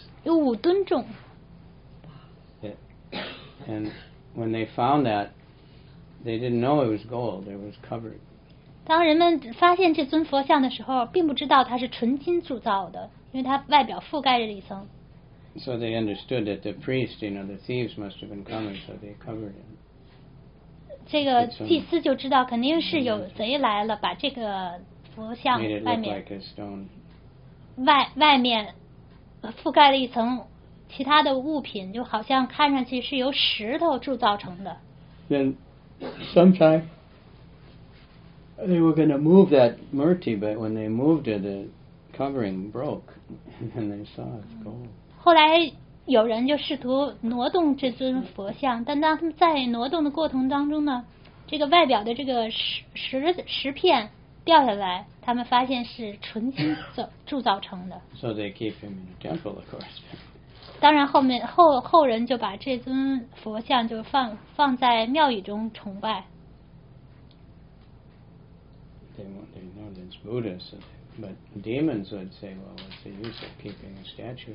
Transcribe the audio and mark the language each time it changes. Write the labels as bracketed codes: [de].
[zh] 有五吨重。 [en] And when they found that. They didn't know it was gold. It was covered. [zh] 当人们发现这尊佛像的时候，并不知道它是纯金铸造的，因为它外表覆盖着一层。 [en] So they understood that the priest, you know, the thieves must have been coming, so they covered it. [zh] 这个祭司就知道肯定是有贼来了，把这个佛像外面 [en] made it look like a stone. [zh] 外面覆盖了一层其他的物品，就好像看上去是由石头铸造成的。 [en] Sometime they were going to move that murti, but when they moved it, the covering broke, and they saw it's gold. [zh] 后来有人就试图挪动这尊佛像，但当他们在挪动的过程当中呢，这个外表的这个石片掉下来，他们发现是纯金铸造成的。 [en] So they keep him in the temple, of course. [zh] 当然后面后人就把这尊佛像就放在庙宇中崇拜。 [en] They know that it's Buddha, so but demons would say, well, what's the use of keeping a statue?